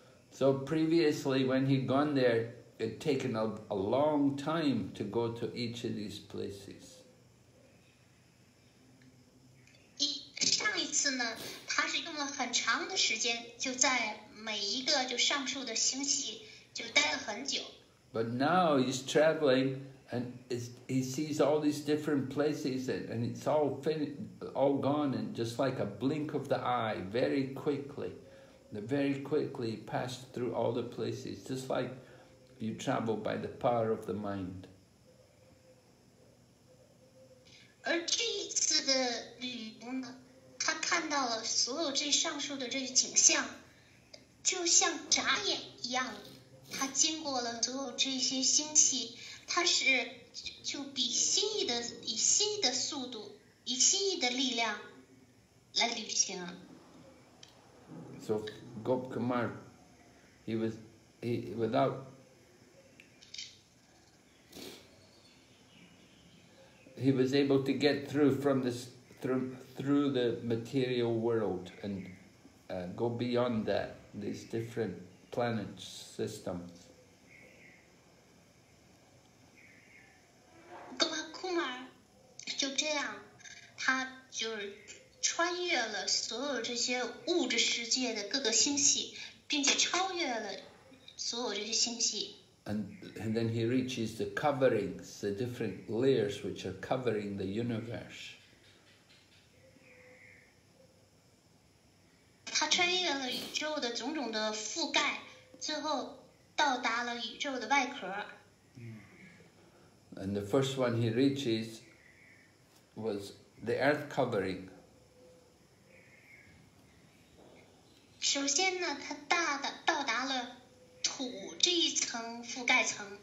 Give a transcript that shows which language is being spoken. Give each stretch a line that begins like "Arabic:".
English: So previously, when he'd gone there, it'd taken a long time to go to each of these places.
Chinese: 上一次呢，他是用了很长的时间，就在每一个就上述的星系就待了很久。
English: But now he's traveling, and he sees all these different places, and it's all gone, and just like a blink of the eye, very quickly. Very quickly passed through all the places, just like you travel by the power of the mind.
Chinese: 而这一次的旅途呢，他看到了所有这上述的这些景象，就像眨眼一样，他经过了所有这些星系，他是就以心意的速度，以心意的力量来旅行。
English: So. Gob Kumar, he was able to get through from this through the material world and go beyond that, these different planet systems.
Chinese: Gob Kumar 就这样，他就是穿越了所有这些物质世界的各个星系，并且超越了所有这些星系。
English: And then he reaches the coverings, the different layers which are covering the universe.
Chinese: 他穿越了宇宙的种种的覆盖，最后到达了宇宙的外壳。
English: And the first one he reaches was the earth covering.
Chinese: 首先呢，他到达了土这一层覆盖层。